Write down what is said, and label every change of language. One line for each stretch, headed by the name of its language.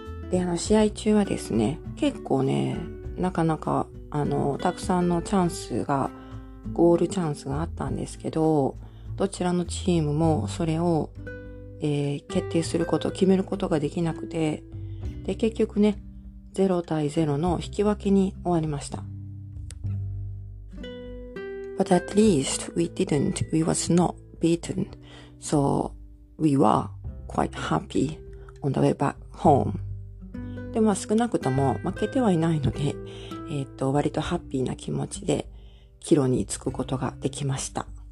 Japanese: で、試合中はですね、結構ね、なかなか、たくさんのチャンスが、ゴールチャンスがあったんですけど、どちらのチームもそれを、決定すること、決めることができなくて、で、結局ね、0対0の引き分けに終わりました。
English: But at least we was not beaten, so we were quite happy on the way back home.
Japanese: でも少なくとも負けてはいないので、割とハッピーな気持ちで帰路に着くことができました。